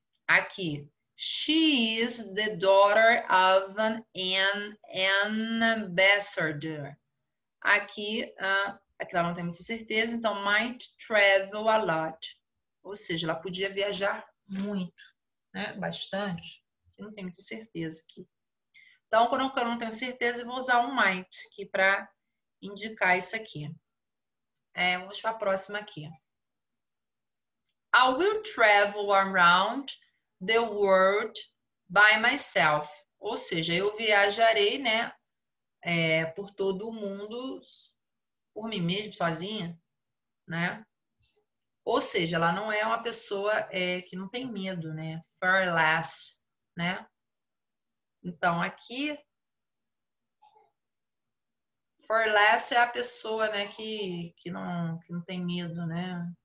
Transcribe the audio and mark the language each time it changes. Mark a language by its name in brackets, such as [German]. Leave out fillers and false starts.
[English] Aqui, she is the daughter of an ambassador. [Portuguese] Aqui ela não tem muita certeza, então [English] might travel a lot. [Portuguese] Ou seja, ela podia viajar muito, né? Bastante. Eu não tenho muita certeza aqui. Então, quando eu não tenho certeza, eu vou usar o might aqui para indicar isso aqui. É, vamos para a próxima aqui. [English] I will travel around the world by myself. [Portuguese] Ou seja, eu viajarei, né, por todo o mundo, por mim mesmo, sozinha, né? Ou seja, ela não é uma pessoa que não tem medo, né? Fearless, né? Então, aqui, fearless é a pessoa, né, que não tem medo, né?